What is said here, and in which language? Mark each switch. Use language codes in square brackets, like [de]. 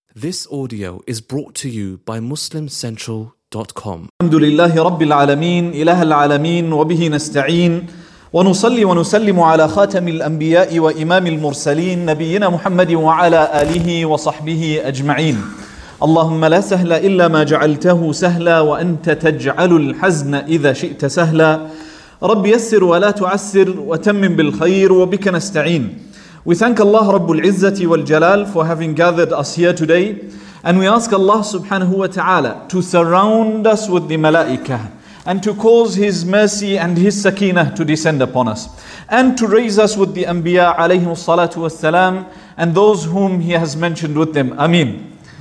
[en] This audio is brought to you by MuslimCentral.com. [ar] الحمد لله رب العالمين إله العالمين وبه نستعين ونصلي ونسلم على خاتم الأنبياء وإمام المرسلين نبينا محمد وعلى آله وصحبه أجمعين. اللهم لا سهل إلا ما جعلته سهلا وأنت تجعل الحزن إذا شئت سهلا. رب يسر ولا تعسر وتمم بالخير وبك نستعين. [en] We thank Allah Rabbul Izzati wal Jalal for having gathered us here today. And we ask Allah subhanahu wa ta'ala to surround us with the malaika and to cause His mercy and His sakinah to descend upon us. And to raise us with the anbiya alayhim salatu wa salam and those whom He has mentioned with them. Ameen.